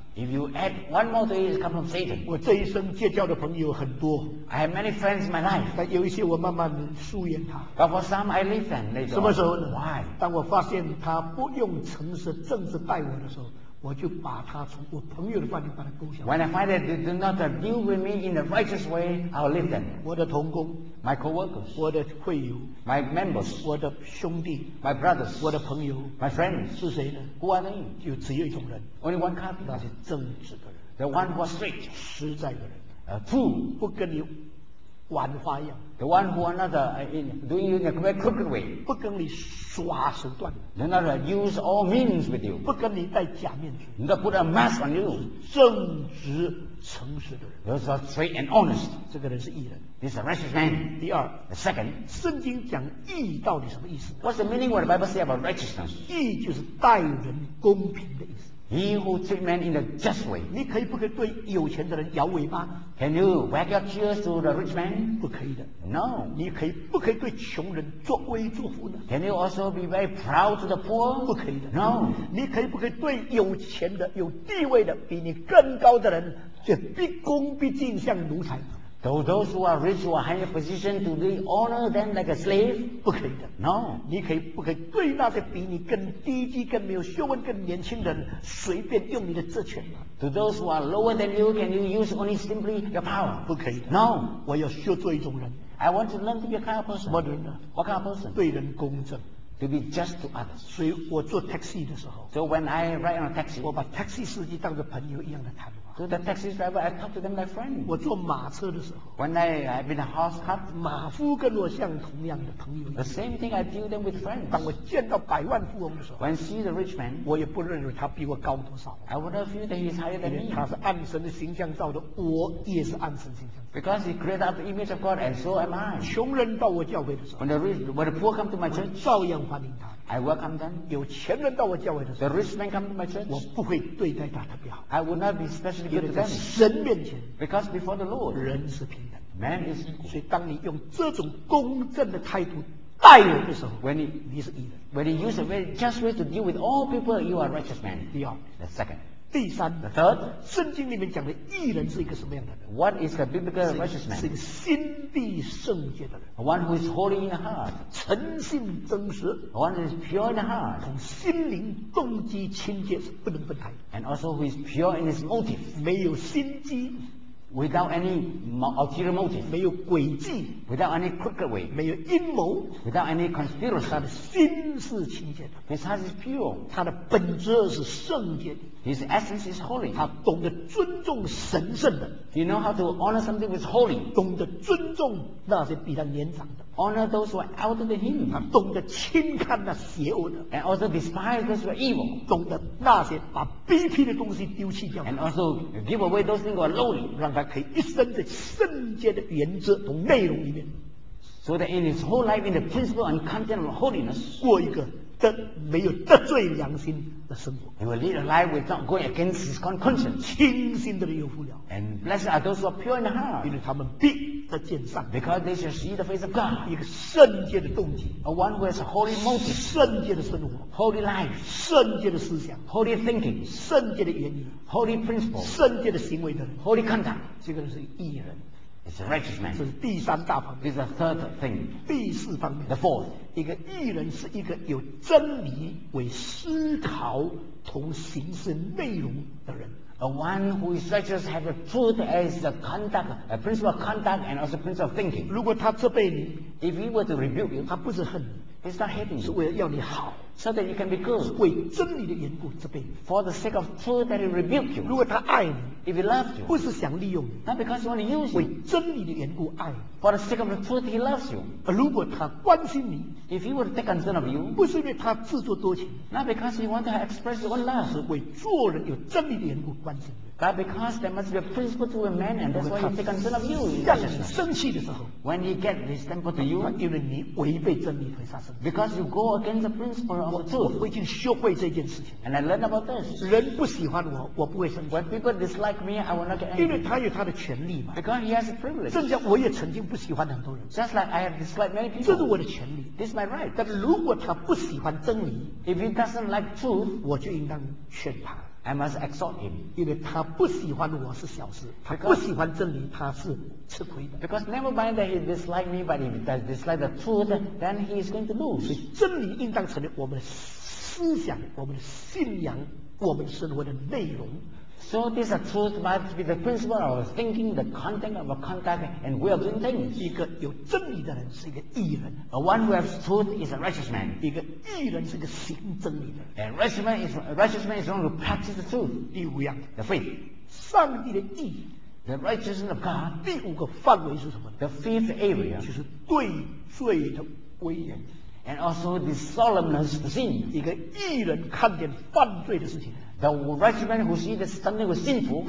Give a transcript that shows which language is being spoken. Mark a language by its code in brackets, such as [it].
[en] If you add one more to it, it comes from Satan. [zh] 我这一生结交的朋友很多。 [en] I have many friends in my life. [zh] 但有一些我慢慢疏远他。 [en] But for some, I leave them. [zh] 什么时候呢？ [en] Why? [zh] 当我发现他不用诚实正直待我的时候，我就把他从我朋友的范围把他勾下。 [en] When I find that they do not deal with me in a righteous way, I'll leave them. [zh] 我的同工 [en] ，my co-workers， [zh] 我的会友 [en] ，my members， [zh] 我的兄弟 [en] ，my brothers， [zh] 我的朋友 [en] ，my friends， [zh] 是谁呢 [en] ？Who are they？ [zh] 就只有一种人 [en] ，only one kind， [zh] 那是正直的人 [en] ，the one who is straight， [zh] 实在的人 [en] ，a fool， [zh] 不跟你玩花样 [en] ，the one who are not doing you in a very crooked way， [zh] 不跟你耍手段 [en] ，they not use all means with you， [zh] 不跟你戴假面具 [en] ，not put a mask on you， [zh] 正直诚实的人 [en] ，those are straight and honest， [zh] 这个人是义人 [en] ，this is a righteous man。 [zh] 第二 [en] ，the second， [zh] 圣经讲义到底什么意思 [en] ？What's the meaning of the Bible say about righteousness？ [zh] 义就是待人公平的意思。 [en] He who treats men in a just way. [zh] 你可以不可以对有钱的人摇尾巴？ [en] Can you wag your tears to the rich man? [zh] 不可以的。 [en] No. [zh] 你可以不可以对穷人作威作福呢？ [en] Can you also be very proud to the poor? [zh] 不可以的。 [en] No. [zh] 你可以不可以对有钱的、有地位的、比你更高的人，就毕恭毕敬，像奴才？ [en] Can Do those who are rich or high position, do they honor them like a slave? [zh] 不可以的。 [en] No. [zh] 你可以不可以对那些比你更低级、更没有学问、更年轻人随便用你的职权吗？ [en] Do those who are lower than you, can you use only simply your power? [zh] 不可以的。 [en] No. [zh] 我要学做一种人。 [en] I want to learn to be a kind of person. What kind of person? [zh] 对人公正。 [en] To be just to others. [zh] 所以我坐 taxi 的时候。 [en] So when I ride on a taxi, [zh] 我把 taxi 司机当作朋友一样的谈话。 [en] So the taxi driver, I talk to them like friends. [zh] 我坐马车的时候。 [en] When I've been a horse cart, [zh] 马夫跟我像同样的朋友。 [en] The same thing, I deal them with friends. [zh] 当我见到百万富翁的时候。 [en] When I see the rich man, [zh] 我也不认为他比我高多少。 [en] I wouldn't feel that he's higher than me. [zh] 他是按神的形象造的，我也是按神形象。 [en] Because he created out the image of God, and so am I. [zh] 穷人到我教会的时候。 [en] When the poor come to my church, [zh] 我照样欢迎他。 [en] I welcome them. [zh] 有钱人到我教会的时候。 [en] The rich man come to my church, [zh] 我不会对待他特别好。 [en] I would not be specially good to them. [zh] 神面前。 [en] Because before the Lord, [zh] 人是平等。 [en] Man is equal. [zh] 所以当你用这种公正的态度待人的时候。你是义人。 [en] When you use a very just way to deal with all people, you are a righteous man. [zh] 第二。 [en] The second. [zh] 第三 [en] the third, [zh] 圣经里面讲的义人是一个什么样的人 [en] What is the biblical righteousness? [zh] 是一个心地圣洁的人 [en] One who is holy in heart [zh] 诚信真实 [en] One who is pure in heart [zh] 从心灵动机清洁是不能分开 [en] And also who is pure in his motive [zh] 没有心机 [en] Without any ulterior motive [zh] 没有诡计 [en] Without any crooked way [zh] 没有阴谋 [en] Without any conspiracy [zh] 他的心是清洁的 [en] His heart is pure [zh] 他的本质是圣洁的 [en] His essence is holy. [zh] 他懂得尊重神圣的。 [en] You know how to honor something with holy. [zh] 懂得尊重那些比他年长的。 [en] Honor those who are elder than him. [zh] 他懂得轻看那邪恶的。 [en] And also despise those who are evil. [zh] 懂得那些把卑鄙的东西丢弃掉。 [en] And also give away those things who are lowly. [zh] 让他可以一生在圣洁的原则和内容里面。 [en] So that in his whole life, in the principle and content of holiness. [zh] 过一个得没有得罪良心的生活 [en] He will lead a life without going against his conscience [zh] 清心的人有福了 [en] And blessed are those who are pure in heart [zh] 因为他们必得见上 [en] Because they shall see the face of God [zh] 一个圣洁的动机 [en] A one who has a holy motive [zh] 圣洁的生活 [en] Holy life [zh] 圣洁的思想 [en] Holy thinking [zh] 圣洁的原理 [en] Holy principle [zh] 圣洁的行为的人 [en] Holy conduct [zh] 这个人是义人 [en] It's a righteous man [zh] 这是第三大方面 [en] This is the third thing [zh] 第四方面 [en] The fourth [zh] 一个义人是一个有真理为思考同行事内容的人。 [en] A one who is righteous has the truth as the conduct, a principle of conduct and also principle of thinking. [zh] 如果他责备你 [en] ，If he were to rebuke you， [zh] 他不是恨你 [en] ，He's not hating you， [zh] 是为了要你好 [en] ，so that you can be good。 [zh] 为真理的缘故责备你 [en] ，for the sake of truth that he rebuke you。 [zh] 如果他爱你 [en] ，If he loves you， [zh] 不是想利用你 [en] ，not because he want to use you。 [zh] 为真理的缘故爱你 [en] ，for the sake of the truth he loves you。 [zh] 如果他关心你。 [en] If he were to take concern of you, [zh] 不是因为他自作多情 [en] not because he wanted to express his own love, [zh] 是为做人有真理的缘故关心 [en] but because there must be a principle to a man, and that's why he take concern of you. [zh] 生气的时候 [en] when he get his temper to you, [zh] 因为你违背真理会杀生 [en] because you go against the principle of truth. [zh] 我已经学会这件事情 [en] and I learned about this. [zh] 人不喜欢我，我不会生气 [en] when people dislike me, I will not get angry. [zh] 因为他有他的权利嘛 [en] because he has a privilege. [zh] 正像我也曾经不喜欢很多人 [en] just like I have disliked many people. [zh] 这是我的权利 [en] this my right. [zh] 但如果他不喜欢真理 [en] if he doesn't like truth, [zh] 我就应当劝他 [en] I must exhort him. [zh] 因为他不喜欢我是小事，他不喜欢真理，他是吃亏的。 [en] Because never mind that he dislike me, but if he does dislike the truth, then he is going to lose. [zh] 所以真理应当成为我们的思想、我们的信仰、我们生活的内容。 [en] So this truth must be the principle of thinking, the content of our conduct, and we are doing things. [zh] 一个有真理的人是一个义人。 [en] A one who has truth is a righteous man. [zh] 一个义人是个行真理的人。 [en] A righteous man is one who practices the truth. [zh] 第五样 [en] the faith. [zh] 上帝的义 [en] the righteousness of God. [zh] 第五个范围是什么 [en] the fifth area. [zh] 就是对罪的威严。 [en] And also the solemnness of sin. [zh] 一个义人看见犯罪的事情。 [en] The righteous man who sees that something was sinful,